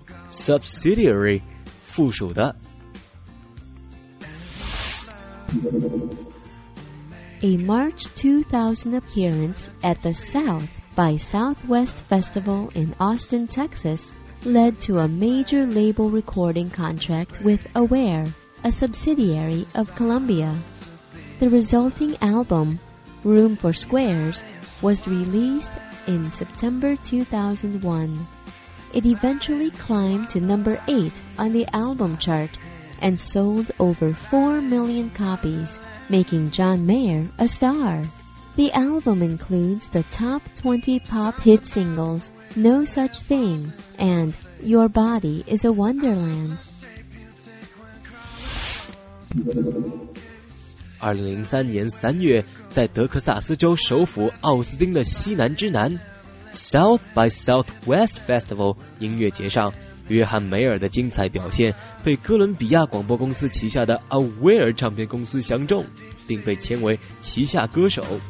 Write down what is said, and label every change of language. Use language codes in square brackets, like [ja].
[zh] Subsidiary, 附属的。 [en] A March 2000 appearance at the South. By Southwest Festival in Austin, Texas, led to a major label recording contract with Aware, a subsidiary of Columbia. The resulting album, Room for Squares, was released in September 2001. It eventually climbed to number 8 on the album chart and sold over 4 million copies, making John Mayer a star. The album includes the top 20 pop hit singles No Such Thing and Your Body is a Wonderland. [zh] 2003年3月在德克萨斯州首府奥斯汀的西南之南 South by Southwest Festival 音乐节上，约翰梅尔的精彩表现被哥伦比亚广播公司旗下的 Aware 唱片公司相中，并被签为旗下歌手。